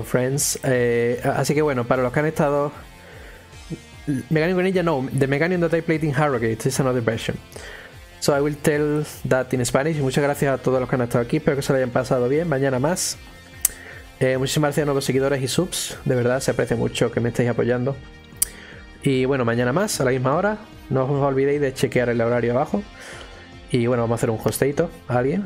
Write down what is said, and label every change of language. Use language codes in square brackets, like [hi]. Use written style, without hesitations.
[es] Así que bueno, para los que han estado... Meganium Greninja, no. [en] The Meganium that I played in Harrogate is another version. So I will tell that in Spanish. [es] Muchas gracias a todos los que han estado aquí. Espero que se lo hayan pasado bien. Mañana más. Muchísimas gracias a nuevos seguidores y subs. De verdad, se aprecia mucho que me estéis apoyando. Y bueno, mañana más, a la misma hora. No os olvidéis de chequear el horario abajo. Y bueno, vamos a hacer un hosteito a alguien.